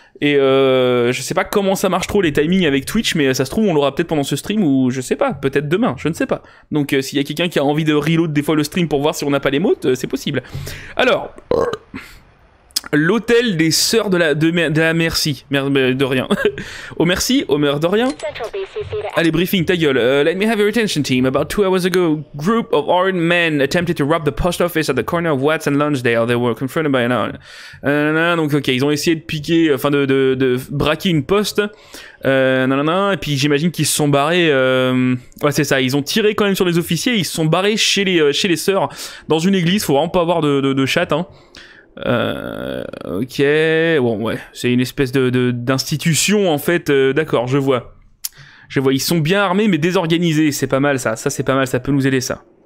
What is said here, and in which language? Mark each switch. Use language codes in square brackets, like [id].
[fr] Et je sais pas comment ça marche trop les timings avec Twitch, mais ça se trouve on l'aura peut-être pendant ce stream ou je sais pas, peut-être demain, je ne sais pas. Donc s'il y a quelqu'un qui a envie de reload des fois le stream pour voir si on n'a pas l'émote, c'est possible. Alors, l'hôtel des sœurs de la merci, de rien. Au merci, au meurt de rien. Allez, briefing, ta gueule. [en] Let me have your attention, team. About 2 hours ago, group of armed men attempted to rob the post office at the corner of Watts and Lonsdale. They were confronted by an... [fr] donc, ok, ils ont essayé de piquer, enfin, de braquer une poste. Et puis j'imagine qu'ils se sont barrés... ouais, c'est ça, ils ont tiré quand même sur les officiers, ils se sont barrés chez les sœurs, dans une église. Faut vraiment pas avoir de chatte, hein. Ok, bon ouais, c'est une espèce de d'institution en fait, d'accord, je vois, ils sont bien armés mais désorganisés, c'est pas mal ça, ça c'est pas mal, ça peut nous aider ça.